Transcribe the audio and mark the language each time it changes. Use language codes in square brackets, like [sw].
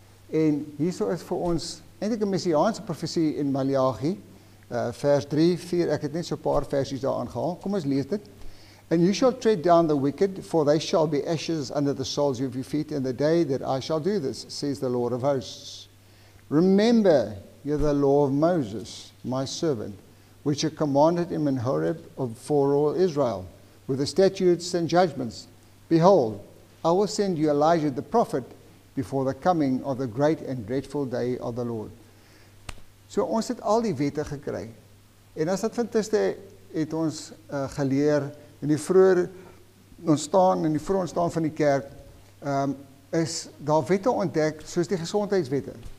[af] En hierso is vir ons eintlik 'n messiaanse profesie in Maleagi, vers 3, 4, ek het net so 'n paar versies daar aangehaal. Kom ons lees dit. [en] And you shall tread down the wicked, for they shall be ashes under the soles of your feet in the day that I shall do this, says the Lord of hosts. Remember you the law of Moses, my servant, which I commanded him in Horeb for all Israel, with the statutes and judgments. Behold, I will send you Elijah the prophet before the coming of the great and dreadful day of the Lord. [af] So ons het al die wette gekry. En as Adventiste het ons geleer in die vroeë ontstaan en die vroeë ontstaan van die kerk, is daar wette ontdek soos die gesondheidswette.